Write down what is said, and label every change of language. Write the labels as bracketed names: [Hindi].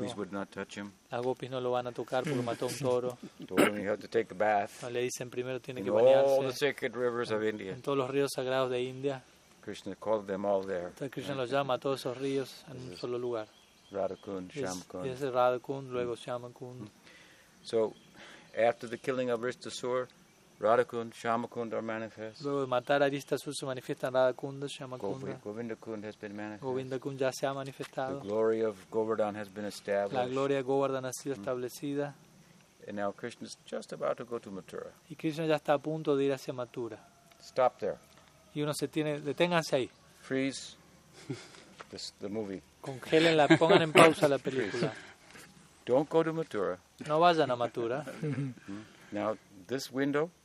[English] Gopis would not touch him. [Spanish] Las gopis no lo van a tocar porque mató un toro. [English] You have to take a bath. [Spanish] No, le dicen primero tiene que bañarse. En todos los ríos sagrados de India. [English] Krishna called them all there. [Spanish] Entonces Krishna los llama a todos esos ríos en un solo lugar. [English] Radhakund, Shyamakund. [Spanish] Es Radhakund, luego Shyamakund. [English] So, after the killing of Rishtasura, Radhakund, Shyamakund are manifest. [Spanish] Luego de matar a Rishtasura se manifiestan Radhakund, Shyamakund. [English] Govindakund has been manifest. [Spanish] Govindakund ya se ha manifestado. [English] The glory of Govardhan has been established. [Spanish] La gloria de Govardhan ha sido establecida. [English] And now Krishna is just about to go to Mathura. [Spanish] Y Krishna ya está a punto de ir hacia Mathura. [English] Stop there. [Spanish] Y uno se tiene, deténganse ahí. [English] Freeze the movie. [Spanish] Congelen la, pongan en pausa la película. [English] Freeze. Don't go to Mathura. [Spanish] No vayan a Mathura. [English] Now this window.